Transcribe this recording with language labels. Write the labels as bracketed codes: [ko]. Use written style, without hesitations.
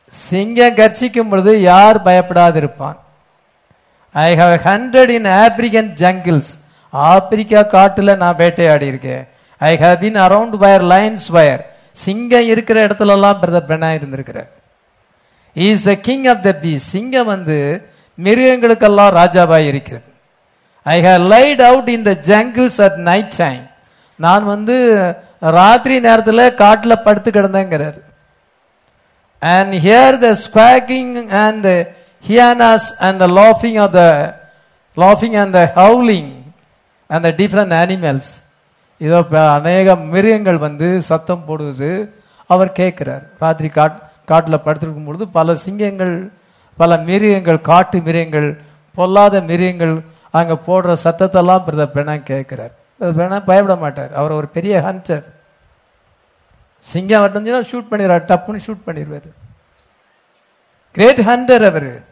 [ta] சிங்கம் கர்ச்சிக்கும் பொழுது யார் பயப்படாதிருப்பான். [en] I have 100 in African jungles. [ta] Africa காட்டுல நான் வேட்டையாடி இருக்கேன். [en] I have been around where lions were. [ta] சிங்கம் இருக்கிற இடத்துல எல்லாம் பிரதர் பிரணாம் இருந்திருக்கிறார். [en] He is the king of the beast. [ta] சிங்கம் வந்து மிருகங்களுக்கெல்லாம் ராஜாவாய் இருக்கிறது. [en] I have laid out in the jungles at night time. [ta] நான் வந்து ராத்திரி நேரத்தில் காட்டில் படுத்து கிடந்தேங்கிறார். [en] And here the squawking and hyenas and the laughing of the laughing and the howling and the different animals. [ta] இது அநேக மிருகங்கள் வந்து சத்தம் போடுவது அவர் கேட்கிறார். ராத்திரி காட்டில் படுத்திருக்கும் பொழுது பல சிங்கங்கள், பல மிருகங்கள், காட்டு மிருகங்கள், பொல்லாத மிருகங்கள் அங்கே போடுற சத்தத்தெல்லாம் பிரதர் பிரணாம் கேட்கிறார். பிரதர் பிரணாம் பயப்பட மாட்டார், அவர் ஒரு பெரிய ஹண்டர். சிங்கம் வந்துச்சுன்னா ஷூட் பண்ணிடுவார், டப்புன்னு ஷூட் பண்ணிடுவார். கிரேட் ஹண்டர் அவர்.